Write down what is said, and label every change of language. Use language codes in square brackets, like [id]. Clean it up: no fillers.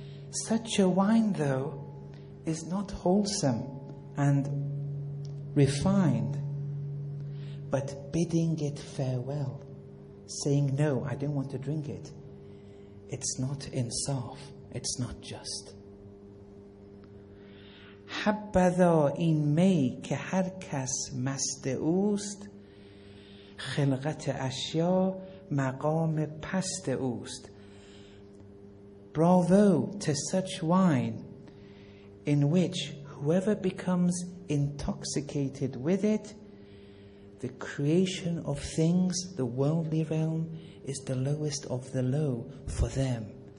[en] Such a wine though is not wholesome and refined, but bidding it farewell, saying no, I don't want to drink it, it's not insaf, it's not just. [fa] حبذا این می که هر کس مست اوست خلقت اشیا مقام پست اوست. [en] Bravo to such wine, in which whoever becomes intoxicated with it, the creation of things, the worldly realm, is the lowest of the low for them.